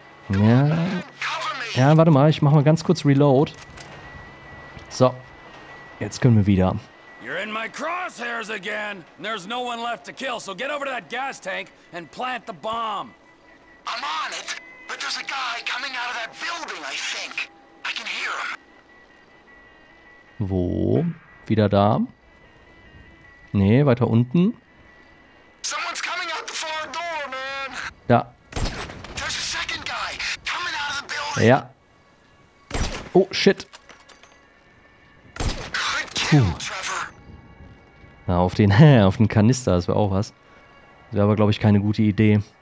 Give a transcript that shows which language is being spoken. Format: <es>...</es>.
<de>Ja. Ja, warte mal, ich mach mal ganz kurz Reload. So. Jetzt können wir wieder.</de> <en>You're in my crosshairs again. There's no one left to kill, so get over to that gas tank and plant the bomb. I'm on it, but there's a guy coming out of that building, I think. I can hear him.</en> <de>Wo? Wieder da? Nee, weiter unten.</de> <en>Someone's coming out the far door, man.</en> <de>Da.</de> <en>There's a second guy coming out of the building.</en> <de>Ja.</de> <en>Oh, shit.</en> <de>Puh. Na, auf den Kanister, das wäre auch was. Das wäre aber, glaube ich, keine gute Idee.</de>